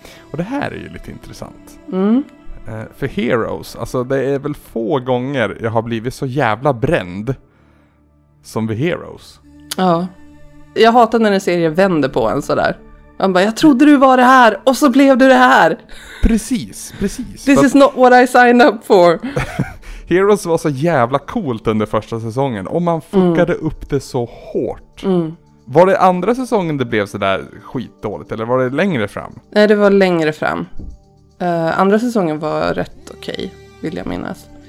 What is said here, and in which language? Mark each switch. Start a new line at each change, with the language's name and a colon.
Swedish: Och det här är ju lite intressant. Mm. För Heroes, alltså det är väl få gånger jag har blivit så jävla bränd som vid Heroes. Ja. Jag hatar när en serie vänder på en sådär. Man bara, jag trodde du var det här och så blev du det här. Precis, precis.
English: This is not what I signed up for.
Swedish: Heroes var så jävla coolt under första säsongen. Och man fuckade upp det så hårt. Mm. Var det andra säsongen det blev så där skitdåligt? Eller var det längre fram? Nej, det var längre fram. Andra säsongen var rätt okej, vill jag minnas.